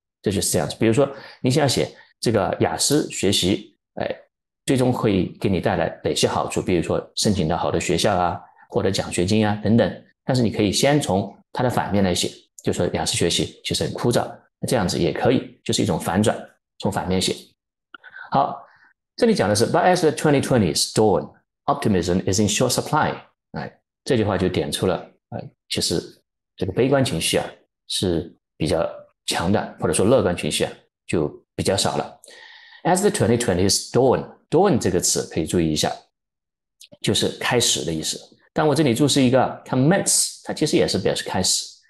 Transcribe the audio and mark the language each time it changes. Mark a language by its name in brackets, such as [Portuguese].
[Chinese] 这就是这样子，比如说你想写这个雅思学习，最终会给你带来哪些好处？比如说申请到好的学校啊，获得奖学金啊等等。但是你可以先从它的反面来写，就说雅思学习其实很枯燥，这样子也可以，就是一种反转，从反面写。好，这里讲的是 [English] But as the 2020 is dawn, optimism is in short supply。 [Chinese] 这句话就点出了，其实这个悲观情绪是比较强的，或者说乐观情绪就比较少了。 [English] As the 2020 is dawn [Chinese] 这个词可以注意一下，就是开始的意思。但我这里注释一个 commence， 它其实也是表示开始。